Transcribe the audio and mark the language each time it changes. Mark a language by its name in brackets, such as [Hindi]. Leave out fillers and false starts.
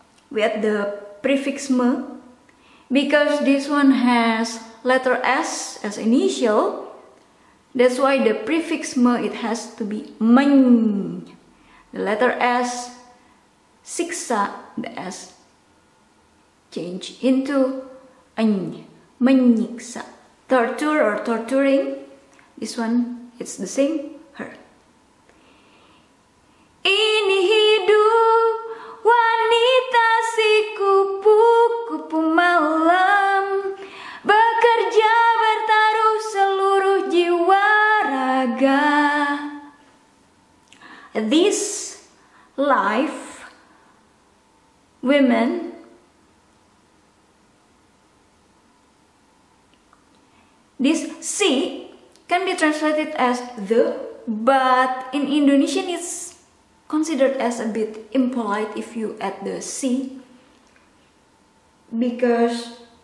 [English] We add the prefix me, because this one has letter S as initial, that's why the prefix me, it has to be men. The letter S, siksa, the S change into en, menyiksa. Torture or torturing, this one, it's the same, her. [Indonesian] Ini hidup wanita si kupu kupu malam, bekerja bertaruh seluruh jiwa raga. [English] This life, women, this si can be translated as the, but in Indonesian it's considered as a bit impolite if you add the C, because